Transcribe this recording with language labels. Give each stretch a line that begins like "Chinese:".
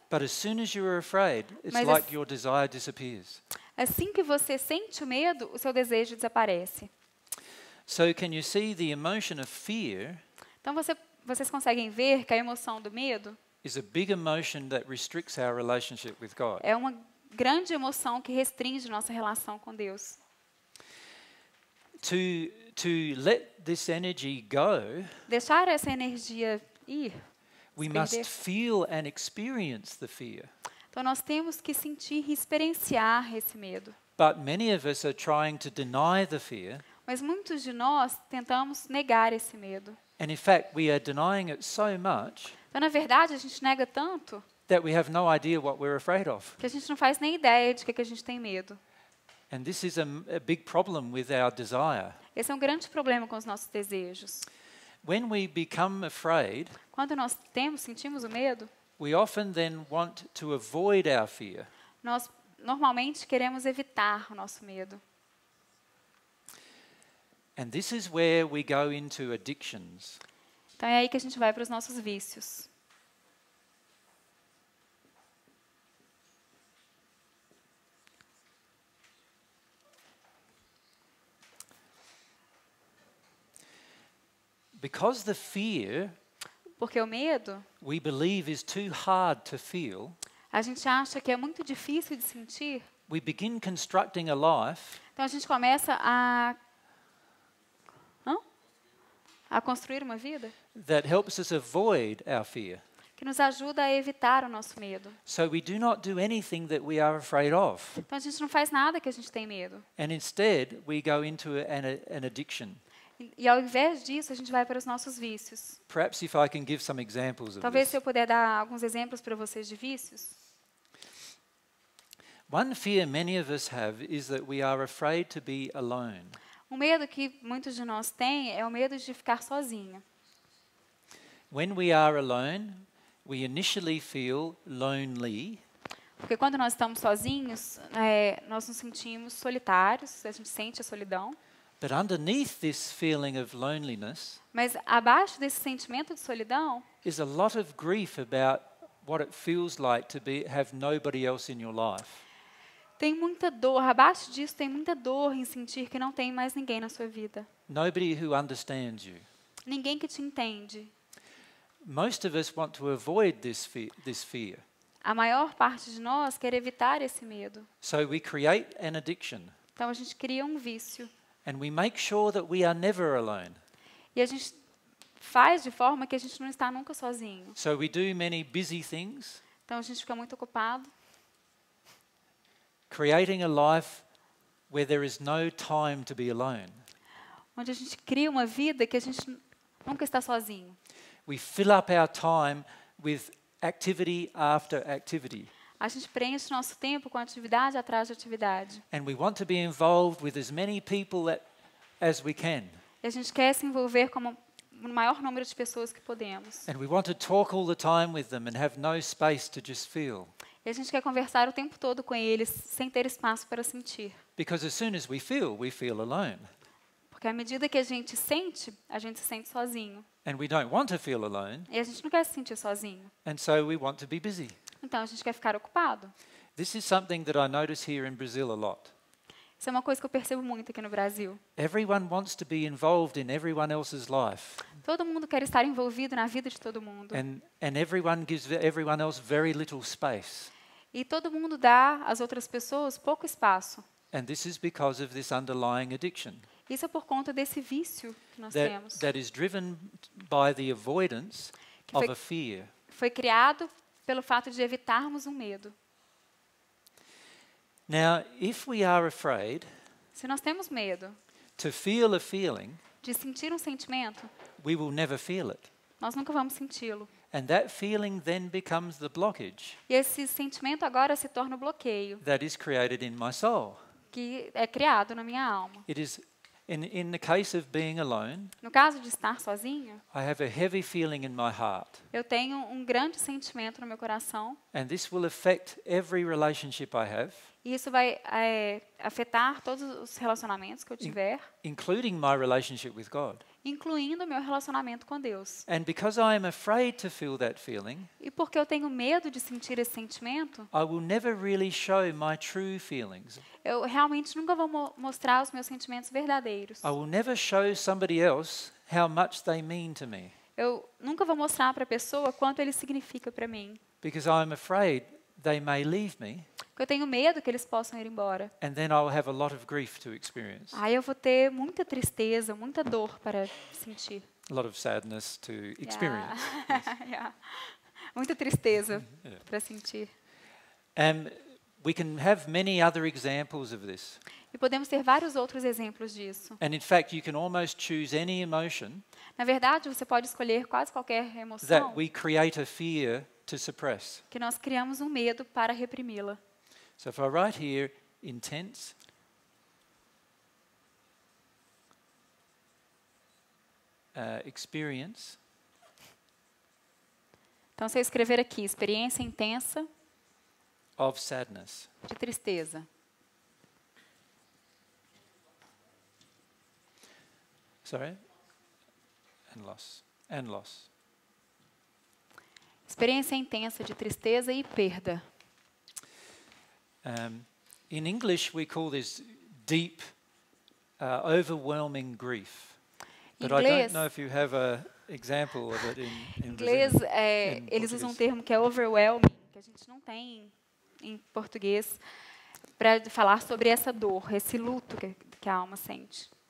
English: but as soon as you are afraid, it's like your desire disappears.
Portuguese: Assim que você sente o medo, o seu desejo desaparece.
English: So can you see the emotion of fear?
Portuguese: Então vocês conseguem ver que a emoção do medo
English: is a big emotion that restricts our relationship with God.
Portuguese: É uma grande emoção que restringe nossa relação com Deus.
English: To let this energy go,
Portuguese: deixar essa energia ir,
English: we must feel and experience the fear.
Portuguese: Então nós temos que sentir e experienciar esse medo.
English: But many of us are trying to deny the fear.
Portuguese: Mas muitos de nós tentamos negar esse medo.
English: And in fact, we are denying it so much.
Portuguese: Então, na verdade, a gente nega tanto
English: that we have no idea what we're afraid of.
Portuguese: Que a gente não faz nem ideia de que a gente tem medo.
English: And this is a big problem with our desire.
Portuguese: Esse é um grande problema com os nossos desejos.
English: When we become afraid,
Portuguese: quando nós sentimos o medo,
English: we often then want to avoid our fear.
Portuguese: Nós normalmente queremos evitar o nosso medo.
English: And this is where we go into addictions.
Portuguese: Então é aí que a gente vai para os nossos vícios.
English: Because the fear,
Portuguese: porque o medo,
English: we believe is too hard to feel,
Portuguese: a gente acha que é muito difícil de sentir,
English: we begin constructing a life,
Portuguese: então a gente começa a construir uma vida
English: that helps us avoid our fear.
Portuguese: Que nos ajuda a evitar o nosso medo.
English: So we do not do anything that we are afraid of.
Portuguese: Então a gente não faz nada que a gente tem medo.
English: And instead we go into an addiction.
Portuguese: E ao invés disso a gente vai para os nossos vícios.
English: Perhaps if I can give some examples of this.
Portuguese: Talvez se eu puder dar alguns exemplos para vocês de vícios.
English: One fear many of us have is that we are afraid to be alone.
Portuguese: O medo que muitos de nós têm é o medo de ficar sozinha.
English: When we are alone, we initially feel lonely.
Portuguese: Porque quando nós estamos sozinhos, nós nos sentimos solitários, a gente sente a solidão.
English: But underneath this feeling of loneliness,
Portuguese: mas abaixo desse sentimento de solidão,
English: is a lot of grief about what it feels like to have nobody else in your life.
Portuguese: Tem muita dor, abaixo disso tem muita dor em sentir que não tem mais ninguém na sua vida.
English: Nobody who understands you.
Portuguese: Ninguém que te entende.
English: Most of us want to avoid this fear.
Portuguese: A maior parte de nós quer evitar esse medo.
English: So we create an addiction.
Portuguese: Então a gente cria um vício.
English: And we make sure that we are never alone.
Portuguese: E a gente faz de forma que a gente não está nunca sozinho.
English: So we do many busy things.
Portuguese: Então a gente fica muito ocupado.
English: Creating a life where there is no time to be alone.
Portuguese: Onde a gente cria uma vida que a gente nunca está sozinho.
English: We fill up our time with activity after activity.
Portuguese: A gente preenche nosso tempo com atividade atrás de atividade.
English: And we want to be involved with as many people as we can.
Portuguese: E a gente quer se envolver com o maior número de pessoas que podemos.
English: And we want to talk all the time with them and have no space to just feel.
Portuguese: E a gente quer conversar o tempo todo com eles, sem ter espaço para sentir.
English: Because as soon as we feel alone.
Portuguese: Porque à medida que a gente se sente sozinho.
English: And we don't want to feel alone.
Portuguese: E a gente não quer se sentir sozinho.
English: And so we want to be busy.
Portuguese: Então a gente quer ficar ocupado.
English: This is something that I notice here in Brazil a lot.
Portuguese: Isso é uma coisa que eu percebo muito aqui no Brasil.
English: Everyone wants to be involved in everyone else's life.
Portuguese: Todo mundo quer estar envolvido na vida de todo mundo.
English: And everyone gives everyone else very little space.
Portuguese: E todo mundo dá às outras pessoas pouco espaço.
English: And this is because of this underlying addiction.
Portuguese: Isso é por conta desse vício que nós temos.
English: That is driven by the avoidance of a fear.
Portuguese: Foi criado pelo fato de evitarmos um medo.
English: Now, if we are afraid,
Portuguese: se nós temos medo,
English: to feel a feeling,
Portuguese: de sentir um sentimento,
English: we will never feel it.
Portuguese: Nós nunca vamos senti-lo.
English: And that feeling then becomes the blockage.
Portuguese: E esse sentimento agora se torna o bloqueio.
English: That is created in my soul.
Portuguese: Que é criado na minha alma.
English: It is in the case of being alone.
Portuguese: No caso de estar sozinho,
English: I have a heavy feeling in my heart.
Portuguese: Eu tenho um grande sentimento no meu coração.
English: And this will affect every relationship I have.
Portuguese: E isso vai afetar todos os relacionamentos que eu tiver.
English: Including my relationship with God.
Portuguese: Incluindo o meu relacionamento com Deus.
English: And because I am afraid to feel that feeling,
Portuguese: e porque eu tenho medo de sentir esse sentimento,
English: I will never really show my true feelings.
Portuguese: Eu realmente nunca vou mostrar os meus sentimentos verdadeiros.
English: I will never show somebody else how much they mean to me.
Portuguese: Eu nunca vou mostrar para a pessoa quanto ele significa para mim.
English: Because I am afraid they may leave me.
Portuguese: Eu tenho medo que eles possam ir embora.
English: And then I'll have a lot of grief to experience.
Portuguese: Aí eu vou ter muita tristeza, muita dor para sentir.
English: A lot of sadness to experience. Yeah. Yes. Yeah.
Portuguese: Muita tristeza para sentir.
English: We can have many other examples of this.
Portuguese: E podemos ter vários outros exemplos disso.
English: And in fact, you can almost choose any emotion.
Portuguese: Na verdade, você pode escolher quase qualquer emoção.
English: That we create a fear to suppress.
Portuguese: Que nós criamos um medo para reprimi-la.
English: So if I write here intense, experience.
Portuguese: Então se eu escrever aqui experiência intensa
English: of sadness.
Portuguese: De tristeza.
English: Sorry. And loss.
Portuguese: Experiência intensa de tristeza e perda.
English: In English, we call this deep, overwhelming grief. But
Portuguese: inglês,
English: I don't know if you have an example of it in
Portuguese: Inglês, eles usam um termo que é overwhelming, que a gente não tem em português, para falar sobre essa dor, esse luto que a alma sente.